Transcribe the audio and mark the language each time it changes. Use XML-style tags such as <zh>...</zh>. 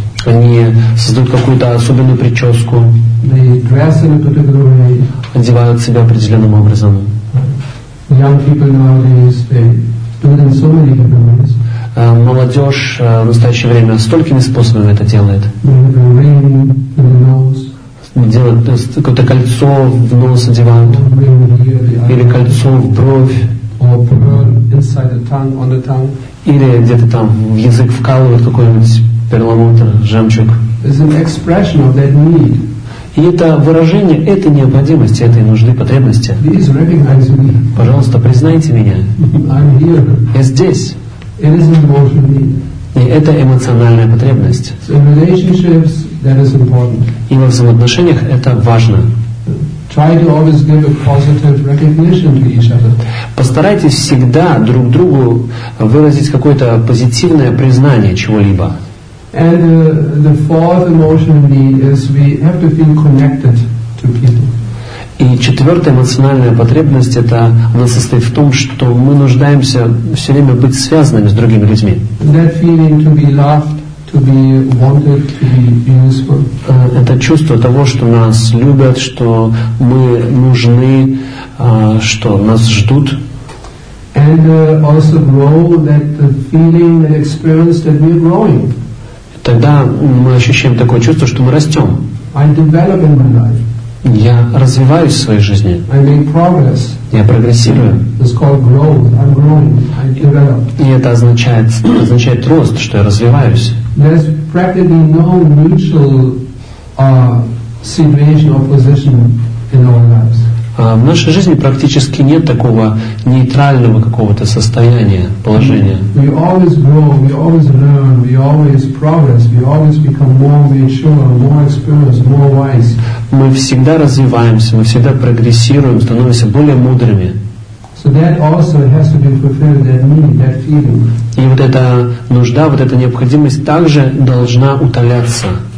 <ru>Они создают какую-то особенную прическу.</ru> <en>They dress in a particular way.</en> <ru>Одевают себя определенным образом.</ru> <en>Young people nowadays, they do it in so many different ways.</en> <ru>Молодежь в настоящее время столькими способами это делает.</ru> <en>They ring in the nose.</en> <ru>Делают какое-то кольцо в нос одевают. Или кольцо в бровь.</ru> <en>Or pearl inside the tongue, on the tongue.</en> <ru>Или где-то там в язык вкалывают какой-нибудь перламутр, жемчуг.</ru> <en>It's an expression of that need.</en> <ru>И это выражение этой необходимости, этой нужды, потребности.</ru> <en>Please recognize me.</en> <ru>Пожалуйста, признайте меня.</ru> <en>I'm here.</en> <ru>Я здесь.</ru> <en>It is emotional need.</en> <ru>И это эмоциональная потребность.</ru> <en>So in relationships, that is important.</en> <ru>И во взаимоотношениях это важно.</ru> <en>Try to always give a positive recognition to each other.</en> <ru>Постарайтесь всегда друг другу выразить какое-то позитивное признание чего-либо.</ru> <en>And the fourth emotional need is we have to feel connected to people.</en> <ru>И четвертая эмоциональная потребность это она состоит в том, что мы нуждаемся все время быть связанными с другими людьми.</ru> <en>That feeling to be loved, to be wanted, to be useful.</en> <ru>Это чувство того, что нас любят, что мы нужны, что нас ждут.</ru> <en>And also grow that feeling and experience that we're growing.</en> <ru>Тогда мы ощущаем такое чувство, что мы растем.</ru> <en>I develop in my life.</en> <ru>Я развиваюсь в своей жизни.</ru> <en>I make progress.</en> <ru>Я прогрессирую.</ru> <en>It's called growth. I'm growing. I develop.</en> <ru>И это означает рост, что я развиваюсь.</ru> <en>There's practically no mutual situation or position in our lives.</en> <ru>В нашей жизни практически нет такого нейтрального какого-то состояния, положения.</ru> <en>We always grow, we always learn, we always progress, we always become more mature, more experienced, more wise.</en> <ru>Мы всегда развиваемся, мы всегда прогрессируем, становимся более мудрыми.</ru> <en>So that also has to be fulfilled, that need, that feeling.</en> <ru>И вот эта нужда, вот эта необходимость также должна утоляться.</ru>